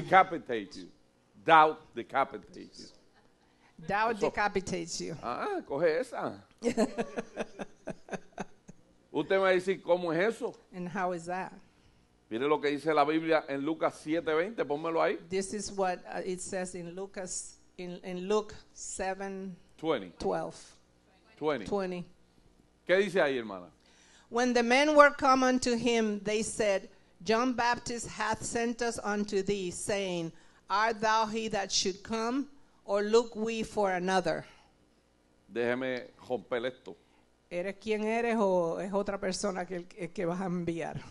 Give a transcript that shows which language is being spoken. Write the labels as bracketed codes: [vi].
[en] Decapitates you. Doubt decapitates you. Doubt decapitates you. [es] Ah, coge esa. Usted me va a decir, ¿cómo es eso? [en] And how is that? [es] Mire lo que dice la Biblia en Lucas 7:20, pónmelo ahí. [en] This is what it says in Lucas in Luke 7:20. [es] ¿Qué dice ahí, hermana? [en] When the men were come unto him, they said, John Baptist hath sent us unto thee, saying, art thou he that should come, or look we for another? [es] Déjeme romper esto. ¿Eres quien eres o es otra persona que vas a enviar?